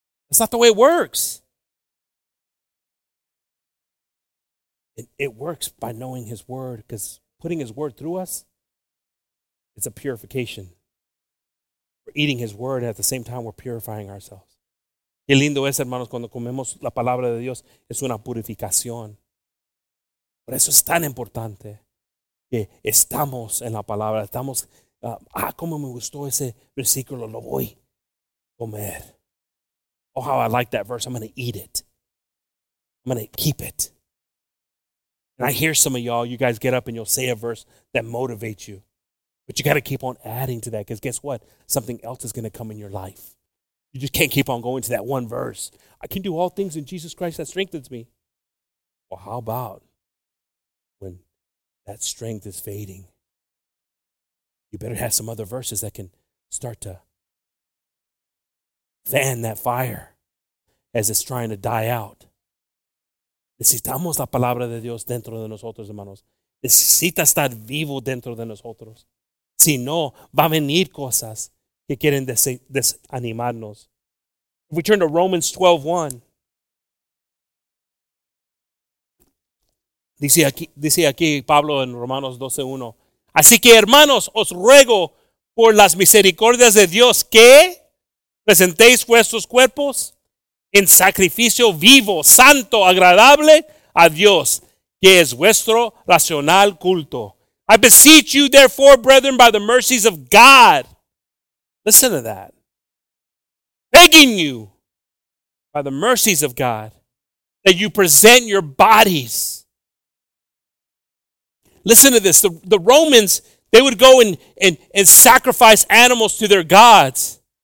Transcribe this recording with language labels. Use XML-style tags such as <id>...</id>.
<en>That's not the way it works. It works by knowing his word, because putting his word through us, it's a purification. We're eating his word, and at the same time, we're purifying ourselves.</en> <es>Qué lindo es, hermanos, cuando comemos la palabra de Dios, es una purificación. Por eso es tan importante que estamos en la palabra. Estamos, cómo me gustó ese versículo, lo voy a comer.</es> <en>Oh, how I like that verse. I'm going to eat it. I'm going to keep it. And I hear some of y'all, you guys get up and you'll say a verse that motivates you. But you got to keep on adding to that, because guess what? Something else is going to come in your life. You just can't keep on going to that one verse. I can do all things in Jesus Christ that strengthens me. Well, how about when that strength is fading? You better have some other verses that can start to fan that fire as it's trying to die out.</en> <es>Necesitamos la palabra de Dios dentro de nosotros, hermanos. Necesita estar vivo dentro de nosotros. Si no, va a venir cosas que quieren desanimarnos.</es> <en>If we turn to Romans 12:1,</en> <es>dice aquí Pablo en Romanos 12:1. Así que, hermanos, os ruego por las misericordias de Dios que presentéis vuestros cuerpos en sacrificio vivo, santo, agradable a Dios, que es vuestro racional culto.</es> <en>I beseech you, therefore, brethren, by the mercies of God. Listen to that. Begging you, by the mercies of God, that you present your bodies. Listen to this. The Romans, they would go and sacrifice animals to their gods.</en>